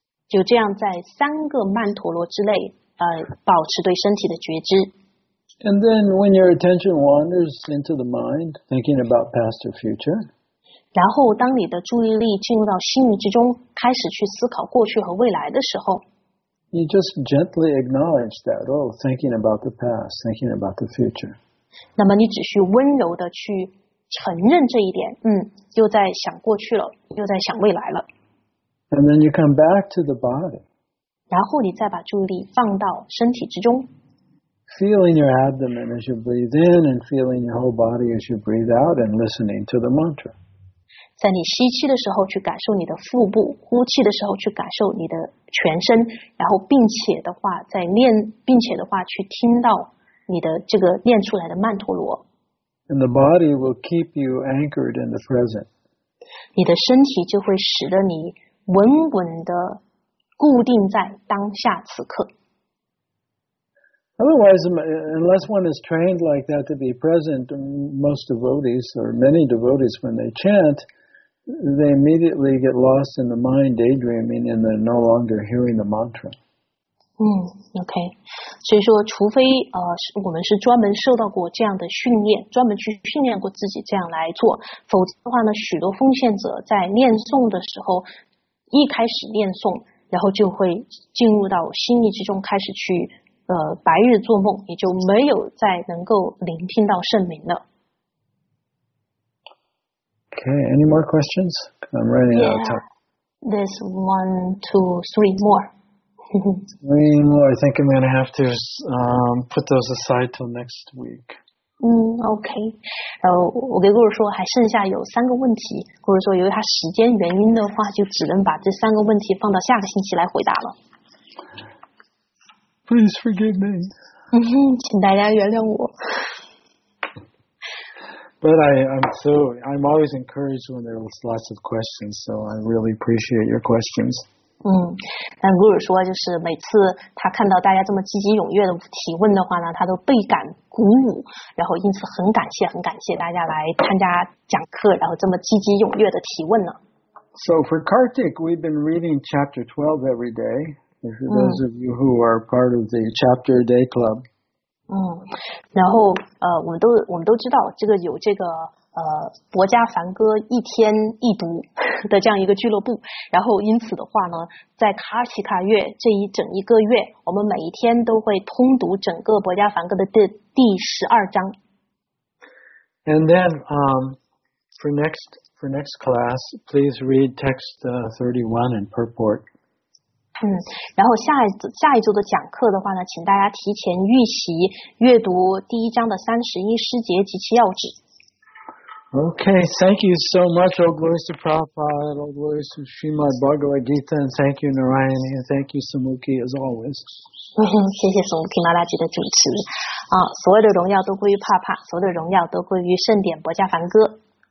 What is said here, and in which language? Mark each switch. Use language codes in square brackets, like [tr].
[zh] 就这样在三个曼陀罗之内，保持对身体的觉知。 [en] And then when your attention wanders into the mind, thinking about past or future. [zh] 然后当你的注意力进入到心意之中，开始去思考过去和未来的时候。 [en] You just gently acknowledge that, oh, thinking about the past, thinking about the future. [zh] 那么你只需温柔的去承认这一点，又在想过去了，又在想未来了。 [en] And then you come back to the body. [zh] 然后你再把注意力放到身体之中。 [en] Feeling your abdomen as you breathe in, and feeling your whole body as you breathe out, and listening to the mantra. [zh] 在你吸气的时候去感受你的腹部，呼气的时候去感受你的全身，然后并且的话去听到你的这个念出来的曼陀罗。 [en] And the body will keep you anchored in the present. [zh] 你的身体就会使得你稳稳地固定在当下此刻。 [en] Otherwise, unless one is trained like that to be present, most devotees or many devotees when they chant, they immediately get lost in the mind daydreaming and they're no longer hearing the mantra. OK. [zh] 所以说除非我们是专门受到过这样的训练，专门去训练过自己这样来做，否则的话呢，许多奉献者在念诵的时候一开始念诵，然后就会进入到心意之中，开始去白日做梦，也就没有再能够聆听到圣名了。 [en] Okay, any more questions? I'm running out of time. There's 1, 2, 3 more. 3 more, I think I'm going to have to put those aside till next week. Okay. [zh] 我给顾主说还剩下有三个问题，顾主说由于他时间原因的话，就只能把这三个问题放到下个星期来回答了。 [en] Please forgive me. [zh] 请大家原谅我。 [en] But I'm always encouraged when there was lots of questions, so I really appreciate your questions. [zh] 但古尔说就是每次他看到大家这么积极踊跃的提问的话呢，他都倍感鼓舞，然后因此很感谢大家来参加讲课，然后这么积极踊跃的提问呢。 [en] So for Kartik, we've been reading chapter 12 every day. For those of you who are part of the Chapter a Day Club. [zh] 然后我们都知道这个有这个博迦梵歌一天一读的这样一个俱乐部，然后因此的话呢，在卡奇卡月这一整一个月，我们每一天都会通读整个博迦梵歌的第十二章。 [en] And then for next class, please read text 31 in purport. [zh] 然后下一周的讲课的话呢，请大家提前预习阅读第一章的31诗节及其要旨。 [en] Okay, thank you so much, O glorious Prabhupada, O glorious Srimad Bhagavad Gita, and thank you, Narayani, and thank you, Sumukhi, as always. [zh] 谢谢宋提玛拉吉的主持啊，所有的荣耀都归于帕帕，所有的荣耀都归于圣典博迦梵歌。